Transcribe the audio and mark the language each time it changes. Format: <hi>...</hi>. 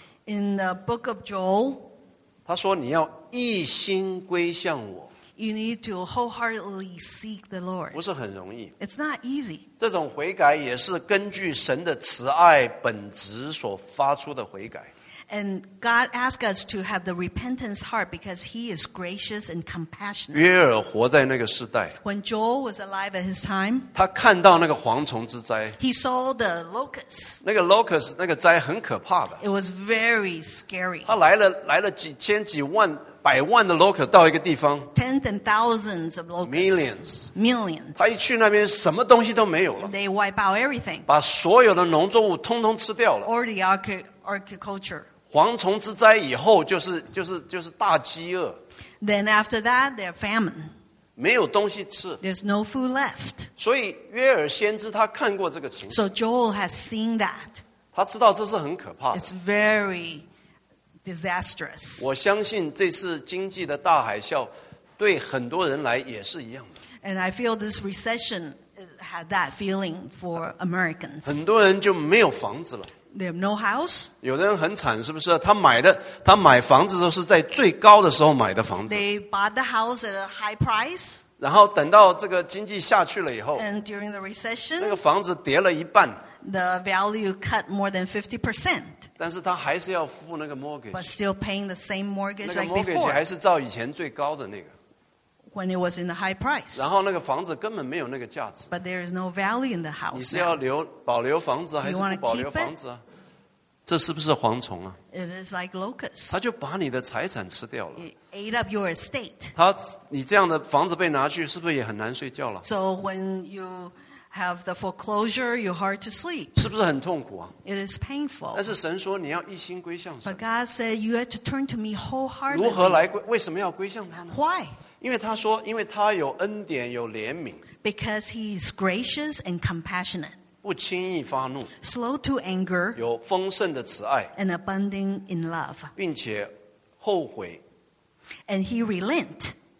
<en>In the book of Joel.</en> <zh>他说你要一心归向我。</zh> <en>You need to wholeheartedly seek the Lord.</en> <zh>不是很容易。</zh> <en>It's not easy.</en> <zh>这种悔改也是根据神的慈爱本质所发出的悔改。</zh> <en>And God asks us to have the repentance heart because He is gracious and compassionate.</en> <zh>约珥活在那个时代。</zh> <en>When Joel was alive at his time,</en> <zh>他看到那个蝗虫之灾。</zh> <en>He saw the locusts.</en> <zh>那个 locust 那个灾很可怕的。</zh> <en>It was very scary.</en> <zh>他来了几千几万。百万的 locust 到一个地方</zh> <en>Tens and thousands of locusts</en> <zh>Millions 他一去那边什么东西都没有了</zh> <en>They wipe out everything</en> <zh>把所有的农作物通通吃掉了</zh> <en>Or the agriculture</en> <zh>蝗虫之灾以后就是大饥饿</zh> <en>Then after that there are famine</en> <zh>没有东西吃</zh> <en>There's no food left</en> <zh>所以约珥先知他看过这个情况</zh> <en>So Joel has seen that</en> <zh>他知道这是很可怕的</zh> <en>It's very disastrous.</en> <zh>我相信这次经济的大海啸对很多人来也是一样的。</zh> <en>And I feel this recession had that feeling for Americans.</en> <zh>很多人就没有房子了。</zh> <en>They have no house.</en> <zh>有的人很惨，是不是？他买房子都是在最高的时候买的房子。</zh> <en>They bought the house at a high price.</en> <zh>然后等到这个经济下去了以后</zh> <en>，And during the recession,</en> <zh>那个房子跌了一半。</zh> <en>The value cut more than 50%.</en> <zh>但是他还是要付那个 mortgage.</zh> <en>But still paying the same mortgage like before.</en> <zh>那个 mortgage 还是照以前最高的那个。</zh> <en>When it was in the high price.</en> <zh>然后那个房子根本没有那个价值。</zh> <en>But there is no value in the house.</en> <zh>你是要留保留房子还是不保留房子啊？这是不是蝗虫啊</zh> <en>？It is like locust.</en> <zh>他就把你的财产吃掉了。</zh> <en>It ate up your estate.</en> <zh>他，你这样的房子被拿去，是不是也很难睡觉了</zh> <en>？So when you have the foreclosure, you're hard to sleep.</en> <zh>是不是很痛苦啊</zh> <en>？It is painful.</en> <zh>但是神说你要一心归向神。</zh> <en>But God said you have to turn to me wholeheartedly.</en> <zh>如何来归？为什么要归向他呢</zh> <en>？Why？</en> <zh>因为他说，因为他有恩典，有怜悯。</zh> <en>Because he is gracious and compassionate.</en> <zh>不轻易发怒。</zh> <en>Slow to anger.</en> <zh>有丰盛的慈爱。</zh> <en>And abundant in love.</en> <zh>并且后悔。</zh> <en>And he relent.</en>